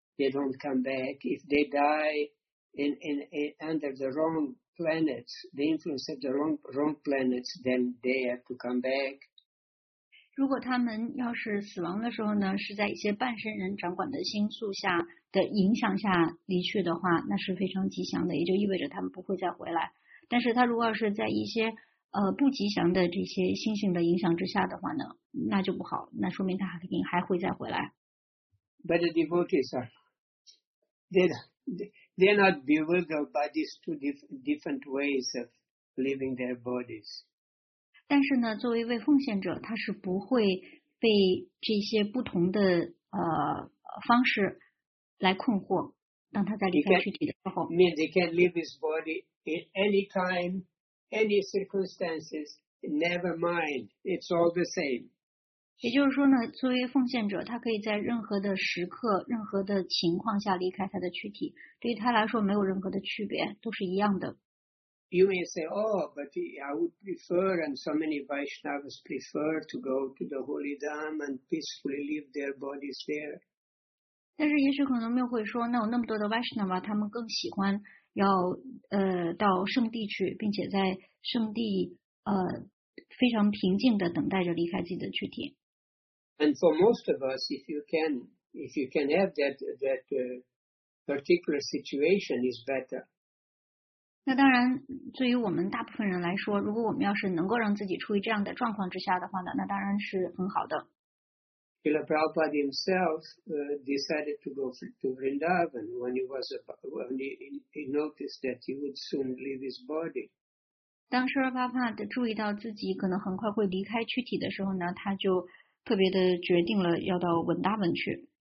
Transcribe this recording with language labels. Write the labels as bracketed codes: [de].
[en] they don't come back. If they die in under the wrong planets, the influence of the wrong planets, then they have to come back. [zh] 如果他们要是死亡的时候呢，是在一些半神人掌管的星宿下的影响下离去的话，那是非常吉祥的，也就意味着他们不会再回来。但是他如果是在一些不吉祥的这些星星的影响之下的话呢，那就不好，那说明他肯定还会再回来。 [en] But the devotees are, they're not bewildered by these two different ways of leaving their bodies. [zh] 但是呢，作为一位奉献者，他是不会被这些不同的方式来困惑。当他在离开躯体的时候 [en] ，means he can leave his body in any time, any circumstances, never mind. It's all the same. [zh] 也就是说呢，作为奉献者，他可以在任何的时刻、任何的情况下离开他的躯体，对于他来说没有任何的区别，都是一样的。 [en] You may say, oh, but I would prefer, and so many Vaishnavas prefer to go to the Holy Dham and peacefully leave their bodies there. [zh] 但是也许可能没有会说，那有那么多的 Vaishnava， 他们更喜欢要到圣地去，并且在圣地非常平静的等待着离开自己的躯体。 [en] And for most of us, if you can have that particular situation, is better. [zh] 那当然对于我们大部分人来说，如果我们要是能够让自己处于这样的状况之下的话呢，那当然是很好的。 [en] Srila Prabhupada himself decided to go to Vrindavan when he noticed that he would soon leave his body. [zh] 当Srila Prabhupada注意到自己可能很快会离开躯体的时候呢，他就特别的决定了要到Vrindavan去。